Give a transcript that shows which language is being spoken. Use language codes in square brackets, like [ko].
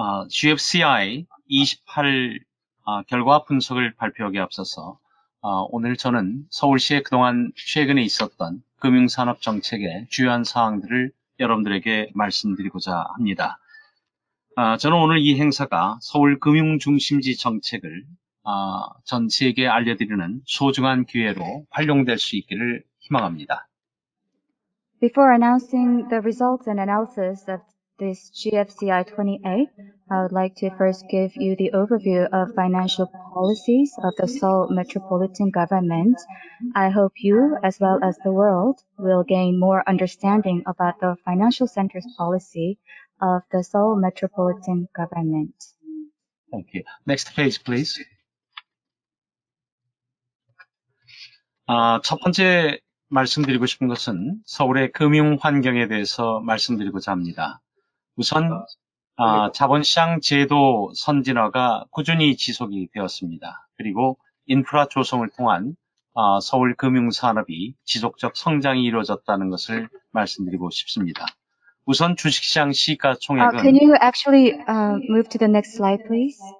[ko] GFCI 28 결과 분석을 발표하기에 앞서서 오늘 저는 서울시의 그동안 최근에 있었던 금융산업 정책의 주요한 사항들을 여러분들에게 말씀드리고자 합니다. 저는 오늘 이 행사가 서울 금융중심지 정책을 전 세계에 알려드리는 소중한 기회로 활용될 수 있기를 희망합니다. [en] Before announcing the results and analysis of this GFCI 28, I would like to first give you the overview of financial policies of the Seoul Metropolitan Government. I hope you, as well as the world, will gain more understanding about the financial center's policy of the Seoul Metropolitan Government. Thank you. Next page, please. [ko] 첫 번째 말씀드리고 싶은 것은 서울의 금융 환경에 대해서 말씀드리고자 합니다. 우선 자본시장 제도 선진화가 꾸준히 지속이 되었습니다. 그리고 인프라 조성을 통한 서울 금융산업이 지속적 성장이 이루어졌다는 것을 말씀드리고 싶습니다. 우선 주식시장 시가총액은 [en] Can you actually move to the next slide, please?